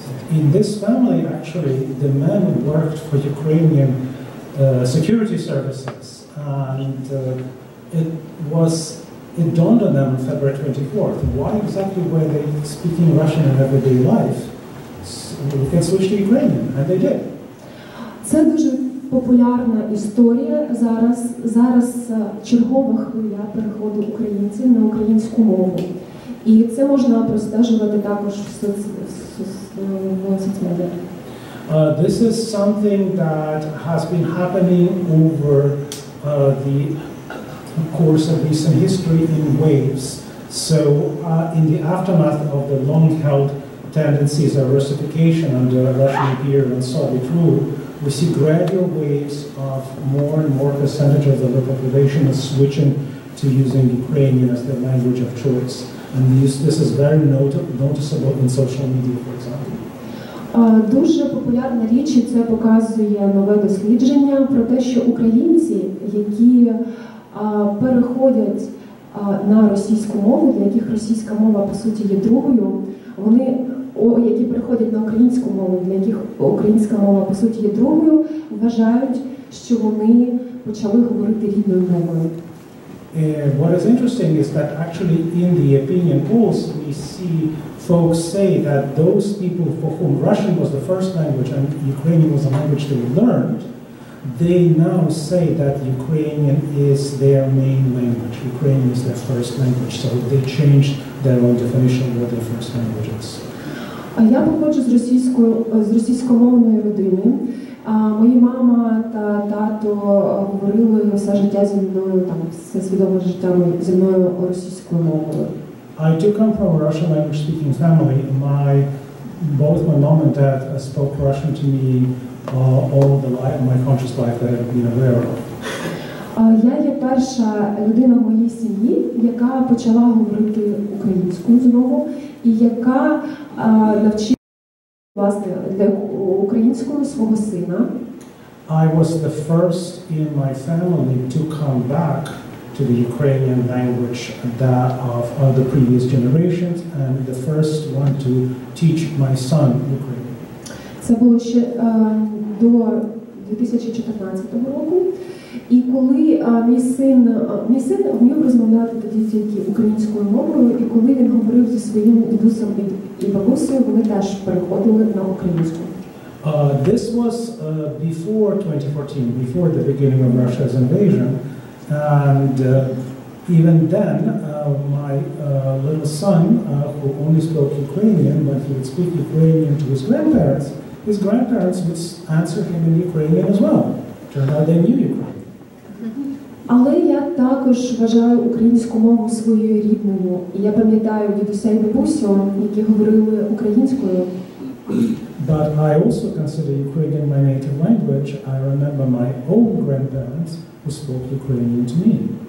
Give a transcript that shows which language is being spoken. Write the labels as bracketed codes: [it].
[en] In this family, actually, the man worked for Ukrainian security services. And it dawned on them on February 24th. Why exactly were they speaking Russian in everyday life? So we can switch to Ukrainian, and they did. [uk] Це дуже популярна історія зараз. Зараз чергова хвиля переходу українців на українську мову. І це можна простежувати також в соцмедіа. [en] This is something that has been happening over the course of recent history in waves. So in the aftermath of the long-held tendencies of Russification under Russian imperial and Soviet rule, we see gradual waves of more and more percentage of the population is switching to using Ukrainian as their language of choice. And this is very noticeable in social media, for example. [uk] Дуже популярна річ, і це показує нове дослідження про те, що українці, які переходять на російську мову, для яких російська мова по суті є другою, вони які переходять на українську мову, для яких українська мова по суті є другою, вважають, що вони почали говорити рідною мовою. [en] What is interesting is that actually in the opinion polls we see folks say that those people for whom Russian was the first language and Ukrainian was a language they learned, they now say that Ukrainian is their main language. Ukrainian is their first language, so they changed their own definition of what their first language is. [uk] А я походжу з російськомовної родини. Мої мама та тато говорили все життя зі мною, там, все свідоме життя зі мною російською мовою. [en] I do come from a Russian language speaking family. Both my mom and dad spoke Russian to me all the life, my conscious life that I've been aware of. [uk] Я є перша людина в моїй сім'ї, яка почала говорити українською знову і яка навчила власне для українського свого сина. [en] I was the first in my family to come back to the Ukrainian language, that of the previous generations, and the first one to teach my son Ukrainian. [uk] Це було ще до 2014 року. І коли мій син вмів розмовляти тоді тільки українською мовою, і коли він говорив зі своїми дідусами і бабусею, вони теж переходили на українську. [en] This was before 2014, before the beginning of Russia's invasion. And even then, my little son, who only spoke Ukrainian, but he would speak Ukrainian to his grandparents would answer him in Ukrainian as well. Turned out they knew Ukrainian. [uk] Але я також вважаю українську мову своєю рідною. І я пам'ятаю дідуся і бабусю, які говорили українською. [en] But I also consider Ukrainian my native language. I remember my own grandparents who spoke Ukrainian to me.